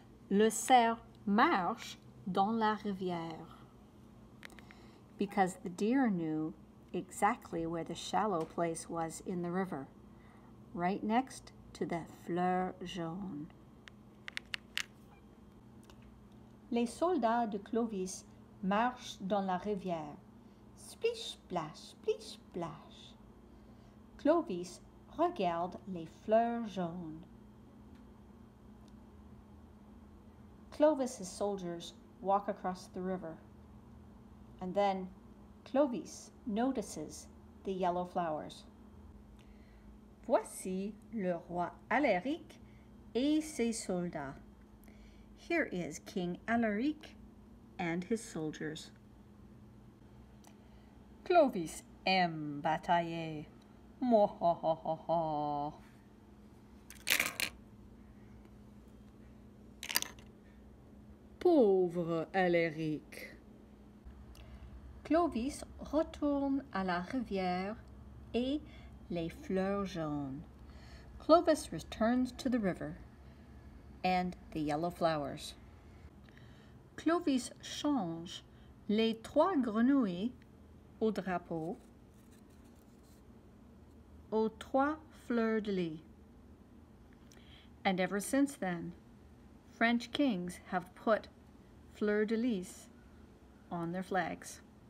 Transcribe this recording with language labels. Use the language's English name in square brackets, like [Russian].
[French] Le cerf marche dans la rivière. [English] Because the deer knew exactly where the shallow place was in the river, right next to the [French] fleur jaune. Les soldats de Clovis marchent dans la rivière. Splish, splash, splish, splash. Clovis regarde les fleurs jaunes. [English] Clovis's soldiers walk across the river. And then Clovis notices the yellow flowers. [French] Voici le roi Alaric et ses soldats. [English] Here is King Alaric and his soldiers. [French] Clovis aime batailler. Mwahahaha. Pauvre Alaric. Clovis retourne à la rivière et les fleurs jaunes. [English] Clovis returns to the river and the yellow flowers. [French] Clovis change les trois grenouilles au drapeau aux trois fleurs de lys. [English] And ever since then, French kings have put fleurs de lys on their flags.